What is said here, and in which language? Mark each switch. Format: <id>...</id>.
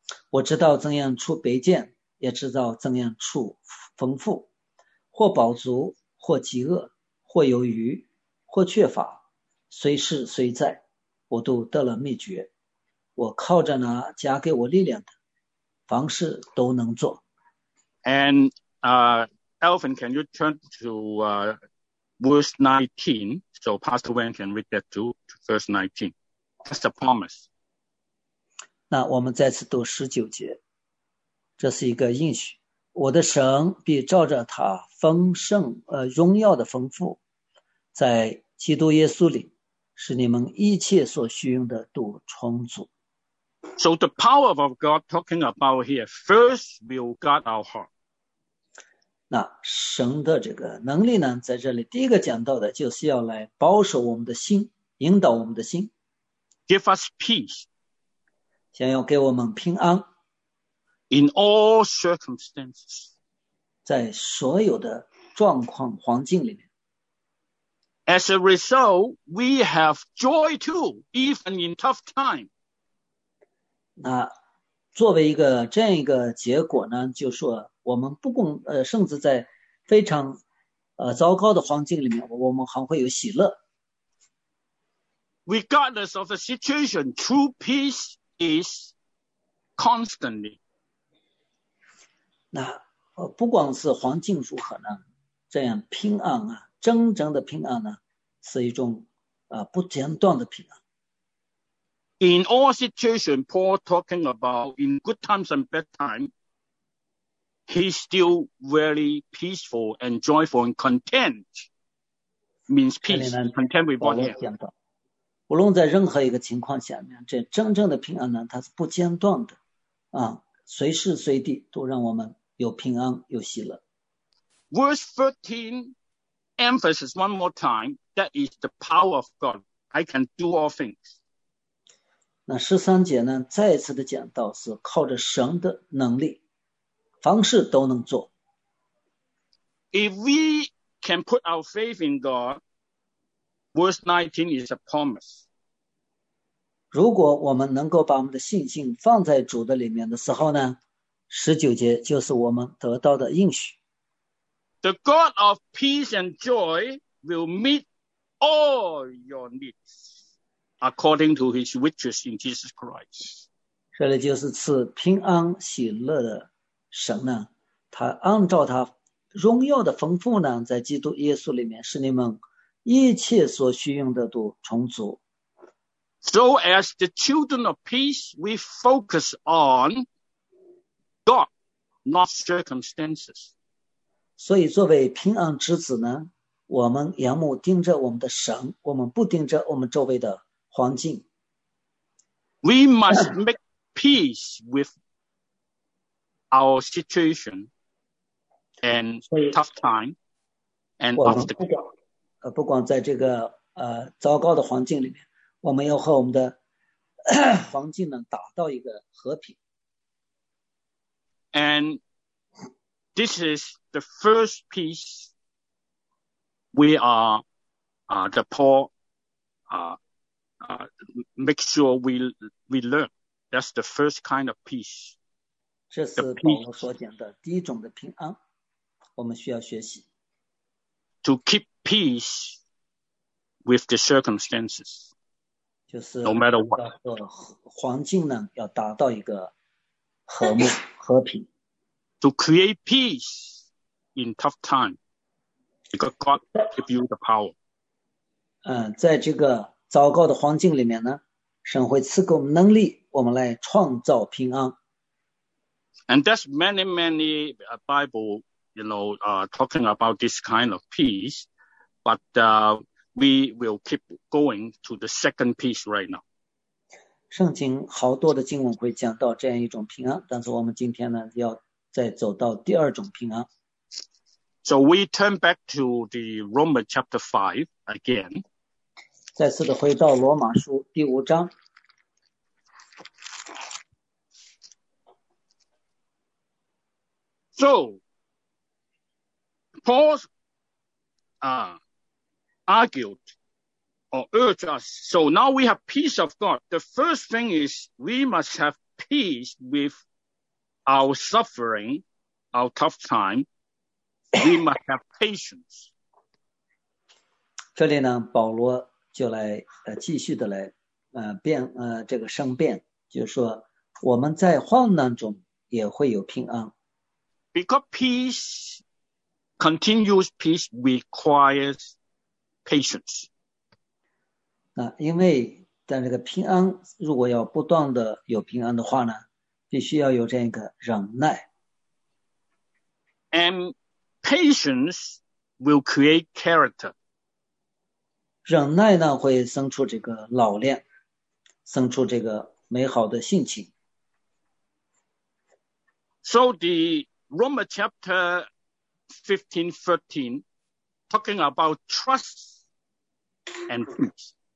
<zh>我知道怎样处卑贱，也知道怎样处丰富，或饱足，或饥饿，或有余，或缺乏，随时随在，我都得了秘诀。我靠着那加给我力量的，凡事都能做。</zh> <en>And Elvin, can you turn to Verse 19, so Pastor Wen can read that too, to verse 19. That's a promise.</en> <zh>那我们再次读十九节，这是一个应许。我的神必照着他丰盛荣耀的丰富，在基督耶稣里，使你们一切所需用的都充足。</zh> <en>So the power of God talking about here first will guard our heart.</en> <zh>那神的这个能力呢，在这里第一个讲到的就是要来保守我们的心，引导我们的心。</zh> <en>Give us peace.</en> <zh>想要给我们平安。</zh> <en>In all circumstances.</en> <zh>在所有的状况环境里面。</zh> <en>As a result, we have joy too, even in tough time.</en> <zh>那作为一个这样一个结果呢，就说我们不共甚至在非常糟糕的环境里面，我们还会有喜乐。</zh> <en>Regardless of the situation, true peace is constantly.</en> <zh>那不管是环境如何呢，这样平安啊，真正的平安呢，是一种不间断的平安。</zh> <en>In all situations, Paul talking about in good times and bad times, he's still very peaceful and joyful and content. Means peace, content with one another.</en> <zh>无论在任何一个情况下面，这真正的平安呢，它是不间断的，啊，随时随地都让我们有平安有喜乐。</zh> <en>Verse 13 emphasizes one more time that is the power of God. I can do all things.</en> <zh>那十三节呢，再次的讲到是靠着神的能力，凡事都能做。</zh> <en>If we can put our faith in God, verse 19 is a promise.</en> <zh>如果我们能够把我们的信心放在主的里面的时候呢，十九节就是我们得到的应许。</zh> <en>The God of peace and joy will meet all your needs according to his riches in Jesus Christ.</en> <zh>这里就是赐平安喜乐的神呢，他按照他荣耀的丰富呢，在基督耶稣里面使你们一切所需用的都充足。</zh> <en>So as the children of peace, we focus on God, not circumstances.</en> <zh>所以作为平安之子呢，我们眼目盯着我们的神，我们不盯着我们周围的环境。</zh> <en>We must make peace with our situation and tough time and obstacle.</en> <zh>不管在这个糟糕的环境里面，我们要和我们的环境呢达到一个和平。</zh> <en>And this is the first piece we are the Paul make sure we learn. That's the first kind of peace.</en> <zh>这是保罗所讲的第一种的平安，我们需要学习。</zh> <en>To keep peace with the circumstances.</en> <zh>就是</zh> <en>no matter what.</en> <zh>环境呢要达到一个和睦和平。</zh> <en>To create peace in tough time, because God gives you the power.</en> <zh>在这个糟糕的环境里面呢，神会赐给我们能力，我们来创造平安。</zh> <en>And that's many Bible, you know, talking about this kind of peace. But we will keep going to the second peace right now.</en> <zh>圣经好多的经文会讲到这样一种平安，但是我们今天呢要再走到第二种平安。</zh> <en>So we turn back to the Romans chapter 5 again.</en> <zh>再次的回到罗马书第五章。</zh> <en>So, Paul argued or urged us. So now we have peace of God. The first thing is we must have peace with our suffering, our tough time. We must have patience.</en> <zh>这里呢，保罗就来继续的来这个申辩，就是说我们在患难中也会有平安。</zh> <en>Because peace, continuous peace requires patience.</en> <zh>那因为在这个平安，如果要不断的有平安的话呢，必须要有这样一个忍耐。</zh> <en>And patience will create character.</en> <zh>忍耐呢会生出这个老练，生出这个美好的性情。</zh> <en>So the Romans chapter 15:13 talking about trust and peace.</en>